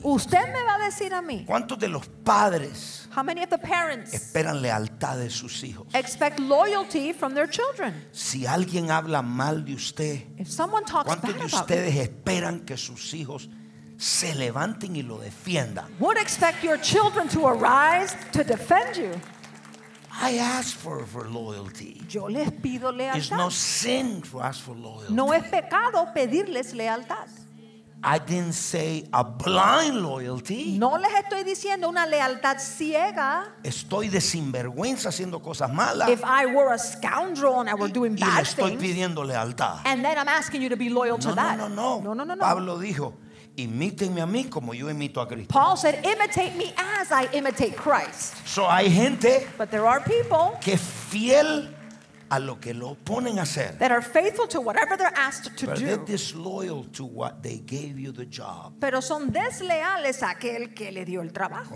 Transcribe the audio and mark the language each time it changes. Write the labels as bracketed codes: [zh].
[es] Usted me va a decir a mí. ¿Cuántos de los padres? [en] How many of the parents? [es] Esperan lealtad de sus hijos. [en] Expect loyalty from their children. [es] Si alguien habla mal de usted. [en] If someone talks bad about you. [es] ¿Cuántos de ustedes esperan que sus hijos se levanten y lo defiendan? [en] Would expect your children to arise to defend you. I ask for loyalty. [es] Yo les pido lealtad. [en] It's no sin to ask for loyalty. [es] No es pecado pedirles lealtad. [en] I didn't say a blind loyalty. [es] No les estoy diciendo una lealtad ciega. Estoy de sinvergüenza haciendo cosas malas. [en] If I were a scoundrel and I were doing bad things. [es] Y estoy pidiendo lealtad. [en] And then I'm asking you to be loyal to that. [es] No. Pablo dijo, imítenme a mí como yo imito a Cristo. [en] Paul said, imitate me as I imitate Christ. [es] So hay gente, [en] but there are people, [es] que fiel a lo que lo ponen a hacer. [en] That are faithful to whatever they're asked to but do. They're disloyal to what they gave you the job. [es] Pero son desleales a aquel que le dio el trabajo.